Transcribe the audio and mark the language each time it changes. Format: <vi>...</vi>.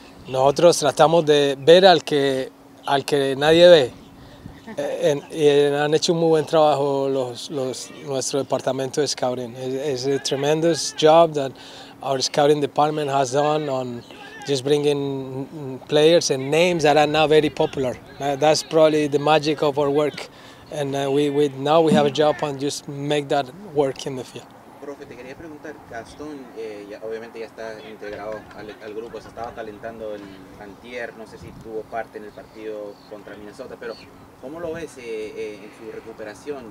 <es>Nosotros tratamos de ver al que nadie ve. Han hecho un muy buen trabajo nuestro departamento de scouting.</es> <en>It's a tremendous job that our scouting department has done on just bringing players and names that are now very popular. That's probably the magic of our work. And we have a job on just make that work in the field.</en> <es>Profe, te quería preguntar, Gastón, obviamente ya está integrado al grupo, se estaba calentando el antier, no sé si tuvo parte en el partido contra Minnesota, pero ¿cómo lo ves en su recuperación?</es>